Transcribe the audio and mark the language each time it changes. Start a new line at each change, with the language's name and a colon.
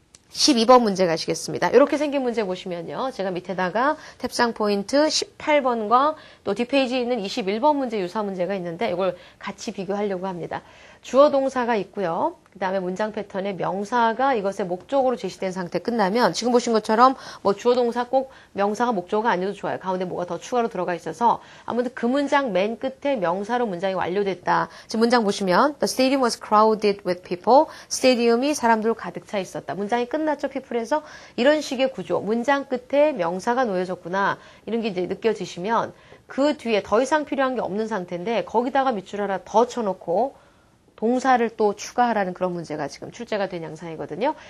Korean: 12번 문제 가시겠습니다. 이렇게 생긴 문제 보시면요. 제가 밑에다가 탭상 포인트 18번과 또 뒷페이지에 있는 21번 문제 유사 문제가 있는데 이걸 같이 비교하려고 합니다. 주어 동사가 있고요. 그 다음에 문장 패턴에 명사가 이것의 목적으로 제시된 상태 끝나면 지금 보신 것처럼 뭐 주어 동사 꼭 명사가 목적어가 아니어도 좋아요. 가운데 뭐가 더 추가로 들어가 있어서 아무튼 그 문장 맨 끝에 명사로 문장이 완료됐다.
English: 지금 문장 보시면 The stadium was crowded with people.
Korean: 스테디움이 사람들로 가득 차 있었다. 문장이 끝났죠, people에서? 이런 식의 구조. 문장 끝에 명사가 놓여졌구나. 이런 게 이제 느껴지시면 그 뒤에 더 이상 필요한 게 없는 상태인데 거기다가 밑줄 하나 더 쳐놓고 동사를 또 추가하라는 그런 문제가 지금 출제가 된 양상이거든요.